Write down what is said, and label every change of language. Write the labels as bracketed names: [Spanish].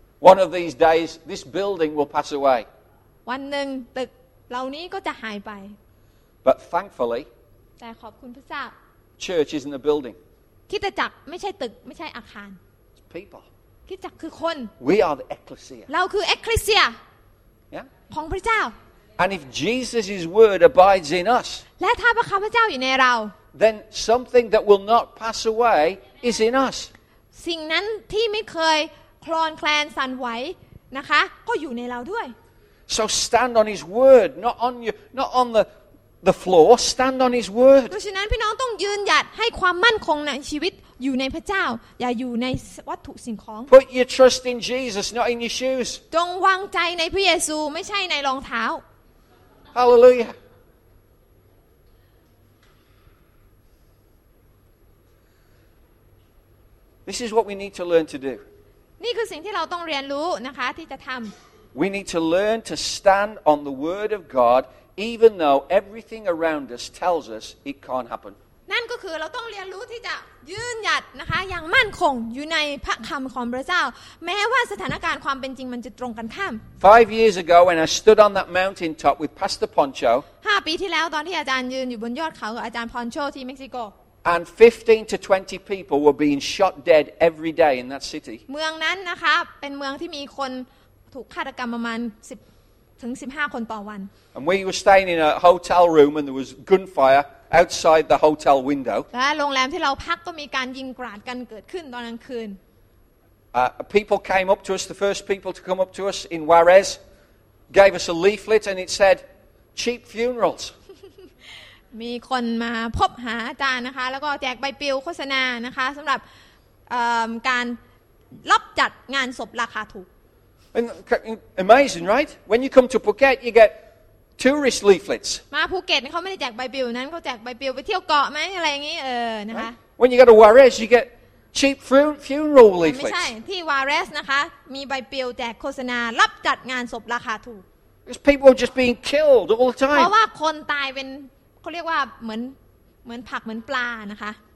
[English] One of these days, this building will pass away. [Thai] วันหนึ่งตึกเหล่านี้ก็จะหายไป [English] But thankfully [Thai] แต่ขอบคุณพระเจ้า [English] Church isn't a building [Thai] คริสตจักรไม่ใช่ตึกไม่ใช่อาคาร [English] It's people [Thai] คริสตจักรคือคน [English] We are the ecclesia [Thai] เราคือเอกคลิเซีย Yeah ของพระเจ้า [English] And if Jesus's word abides in us [Thai] และถ้าพระคำพระเจ้าอยู่ในเรา [English] Then something that will not pass away is in us [Thai] สิ่งนั้นที่ไม่เคยคลอนแคลนสั่นไหวนะคะก็อยู่ในเราด้วย [English] So stand on His word, not on the floor. Stand on His word. [Thai] ดังนั้นพี่น้องต้องยืนหยัดให้ความมั่นคงในชีวิตอยู่ในพระเจ้าอย่าอยู่ในวัตถุสิ่งของ [English] Put your trust in Jesus, not in your shoes. [Thai] จงวางใจในพระเยซูไม่ใช่ในรองเท้า [English] Hallelujah. This is what we need to learn to do. [Thai] นี่คือสิ่งที่เราต้องเรียนรู้นะคะที่จะทำ [English] We need to learn to stand on the word of God even though everything around us tells us it can't happen. [Thai] นั่นก็คือเราต้องเรียนรู้ที่จะยืนหยัดนะคะอย่างมั่นคงอยู่ในพระคำของพระเจ้าแม้ว่าสถานการณ์ความเป็นจริงมันจะตรงกันข้าม [English] 5 years ago when I stood on that mountain top with Pastor Poncho [Thai] 5ปีที่แล้วตอนที่อาจารย์ยืนอยู่บนยอดเขากับอาจารย์ Poncho ที่เม็กซิโก [English] And 15 to 20 people were being shot dead every day in that city. [Thai] เมืองนั้นนะคะเป็นเมืองที่มีคนถูกฆาตกรรมประมาณ10ถึง15คนต่อวัน [English] And we were staying in a hotel room and there was gunfire outside the hotel window [Thai] และโรงแรมที่เราพักก็มีการยิงกราดกันเกิดขึ้นตอนกลางคืน [English] People came up to us the first people to come up to us in Juarez gave us a leaflet and it said cheap funerals [Thai] มีคนมาพบหาอาจารย์นะคะแล้วก็แจกใบปลิวโฆษณานะคะสำหรับการรับจัดงานศพราคาถูก [English] And amazing, right? When you come to Phuket, you get tourist leaflets. [Thai] มาภูเก็ตเขาไม่ได้แจกใบปลิวนั้นเขาแจกใบปลิวไปเที่ยวเกาะไหมอะไรอย่างนี้นะคะ [English] When you go to Juarez, you get cheap funeral leaflets. [Thai] ไม่ใช่ที่ Juarez นะคะมีใบปลิวแจกโฆษณารับจัดงานศพราคาถูก [English] Because people are just being killed all the time. [Thai] เพราะว่าคนตายเป็นเขาเรียกว่าเหมือนผักเหมือนปลานะคะ